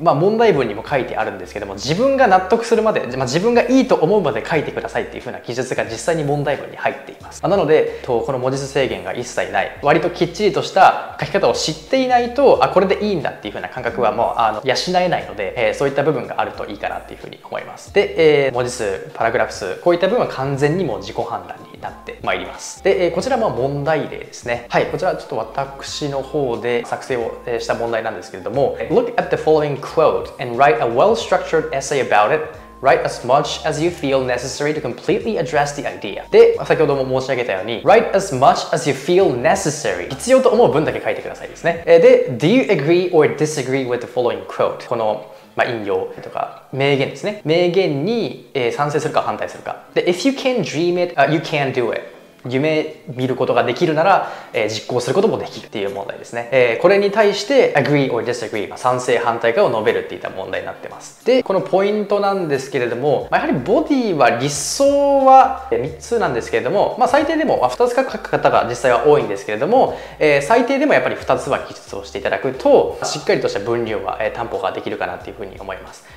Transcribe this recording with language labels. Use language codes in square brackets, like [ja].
[ja] まあ、問題文にも書いてあるんですけども、自分が納得するまで、まあ、自分がいいと思うまで書いてくださいっていう風な記述が実際に問題文に入っています。なのでこの文字数制限が一切ない、割ときっちりとした書き方を知っていないと、あこれでいいんだっていう風な感覚はもう養えないので、そういった部分があるといいかなっていう風に思います。で、文字数、パラグラフ数、こういった部分は完全にもう自己判断になってまいります。で、こちらも問題例ですね。はい、こちらちょっと私の方で作成をした問題なんですけれども、 [en] Look at the following quote and write a well-structured essay about itWrite as much as you feel necessary to completely address the idea. [ja] で、先ほども申し上げたように、 [en] Write as much as you feel necessary. [ja] 必要と思う分だけ書いてくださいですね。で、 [en] Do you agree or disagree with the following quote? [ja] この、まあ、引用とか、名言ですね。名言に、賛成するか反対するか。で、 [en] If you can dream it,、you can do it. [ja] 夢見ることができるなら、実行することもできるっていう問題ですね。これに対して [en] agree or disagree、 [ja] まあ、賛成反対かを述べるっていった問題になってます。でこのポイントなんですけれども、まあ、やはりボディは理想は3つなんですけれども、まあ、最低でも2つ書く方が実際は多いんですけれども、最低でもやっぱり2つは記述をしていただくとしっかりとした分量は担保ができるかなっていうふうに思います。